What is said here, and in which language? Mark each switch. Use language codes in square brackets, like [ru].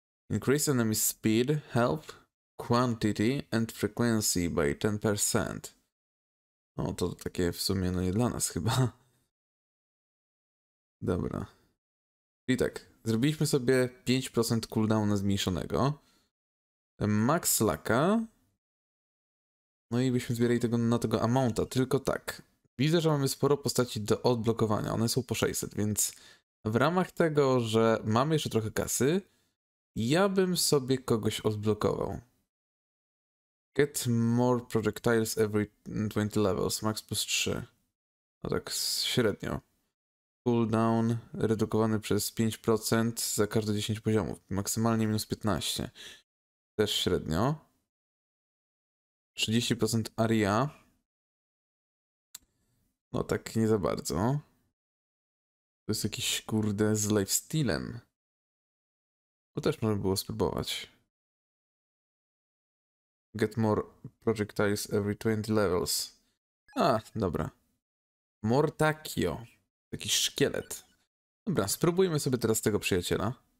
[en] Increase enemy speed, health, quantity and frequency by 10%. [pl] No to takie w sumie no nie dla nas chyba. Dobra. I tak, zrobiliśmy sobie 5% cooldowna zmniejszonego. Max lucka. No i byśmy zbierali tego na tego amounta, tylko tak. Widzę, że mamy sporo postaci do odblokowania, one są po 600, więc w ramach tego, że mamy jeszcze trochę kasy, ja bym sobie kogoś odblokował. [en] Get more projectiles every 20 levels, max plus 3. [pl] No tak, średnio. Cooldown redukowany przez 5% za każde 10 poziomów. Maksymalnie minus 15. Też średnio. [en] 30% area. [pl] No tak nie za bardzo. To jest jakiś kurde z lifestealem. To też można było spróbować. [en] Get more projectiles every 20 levels. [pl] A, dobra. Mortakio. Taki szkielet. Dobra, spróbujmy sobie teraz tego przyjaciela.